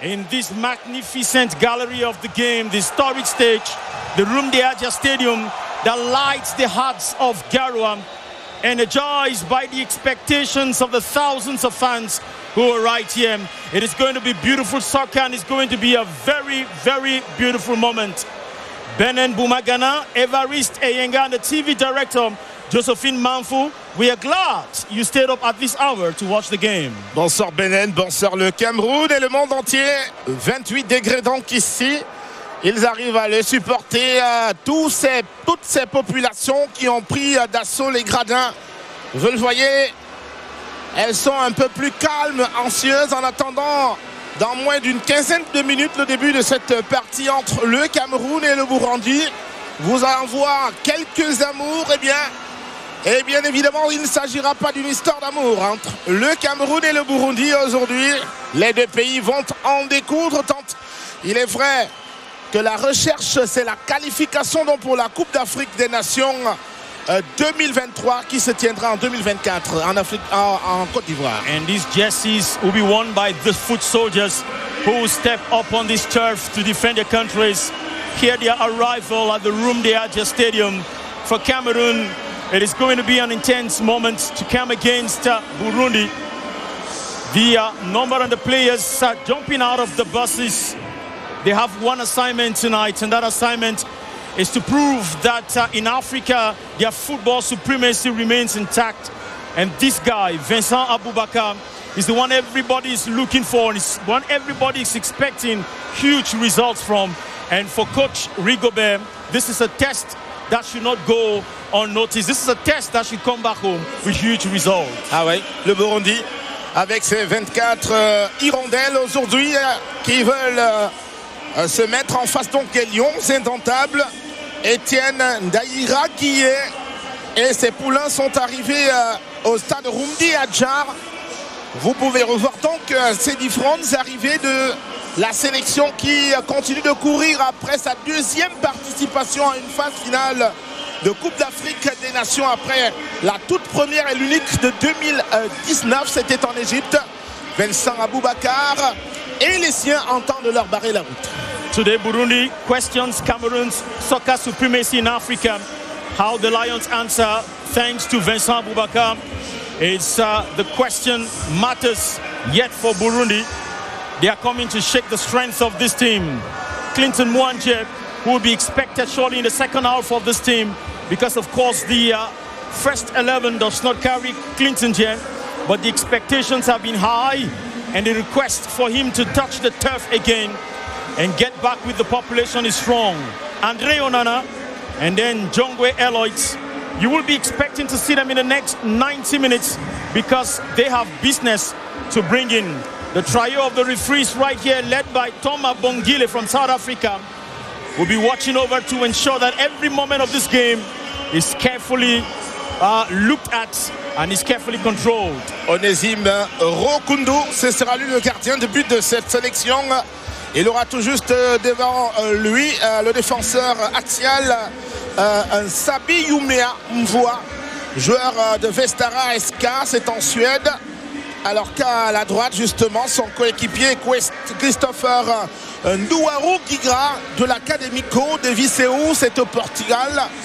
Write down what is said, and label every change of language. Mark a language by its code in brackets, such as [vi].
[en] This magnificent gallery of the game, the historic stage, the Rumdiaja Stadium that lights the hearts of Garoua, energized by the expectations of the thousands of fans who are right here. It is going to be beautiful soccer and it's going to be a very, very beautiful moment. Benin Bouma Ghana, Evariste Eyenga and the TV director, Josephine Manfu, we are glad you stayed up at this hour to watch the game. [fr] Bonsoir Benin, bonsoir le Cameroun et le monde entier. 28 degrés donc ici. Ils arrivent à le supporter à toutes ces populations qui ont pris d'assaut les gradins. Vous le voyez, elles sont un peu plus calmes, anxieuses en attendant dans moins d'une quinzaine de minutes le début de cette partie entre le Cameroun et le Burundi. Vous allez en voir quelques amours, et bien évidemment, il ne s'agira pas d'une histoire d'amour entre le Cameroun et le Burundi aujourd'hui. Les deux pays vont en découdre tant il est vrai que la recherche, c'est la qualification donc pour la Coupe d'Afrique des Nations 2023 qui se tiendra en 2024 en Côte d'Ivoire. [en] And these jerseys will be won by the foot soldiers who step up on this turf to defend their countries. hear their arrival at the Rumdiaja Stadium. For Cameroon, it is going to be an intense moment to come against Burundi. The number and the players are jumping out of the buses. They have one assignment tonight, and that assignment is to prove that in Africa, their football supremacy remains intact. And this guy, Vincent Aboubakar, is the one everybody is looking for, and is one everybody is expecting huge results from. And for Coach Rigobert, this is a test that should not go unnoticed. This is a test that should come back home with huge results. [fr] Ah oui, le Burundi, avec ses 24 hirondelles aujourd'hui qui veulent se mettre en face donc des lions indomptables. Etienne Ndaïra qui est, et ses poulains sont arrivés au stade Rumdi Adjar. Vous pouvez revoir donc ces différentes arrivées de la sélection qui continue de courir après sa deuxième participation à une phase finale de Coupe d'Afrique des Nations après la toute première et l'unique de 2019. C'était en Égypte. Vincent Aboubakar et les siens entendent leur barrer la route. Today, Burundi questions Cameroon's soccer supremacy in Africa. How the Lions answer, thanks to Vincent Aboubakar, is the question matters yet for Burundi. They are coming to shake the strength of this team. Clinton Mwanje, who will be expected surely in the second half of this team, because of course the first 11 does not carry Clinton yet, but the expectations have been high and the request for him to touch the turf again and get back with the population is strong. Andre Onana and then Jongwe Eloyt, you will be expecting to see them in the next 90 minutes because they have business to bring in. The trio of the referees right here, led by Thomas Bongile from South Africa, will be watching over to ensure that every moment of this game is carefully looked at and is carefully controlled. Onésime Rokundo, ce sera lui le gardien de but de cette sélection. Il aura tout juste devant lui le défenseur axial Sabi Yumea Mvua, joueur de Vestara SK, c'est en Suède. Alors qu'à la droite, justement, son coéquipier Christopher Nduwaru Guigra de l'Académico de Viseu, c'est au Portugal.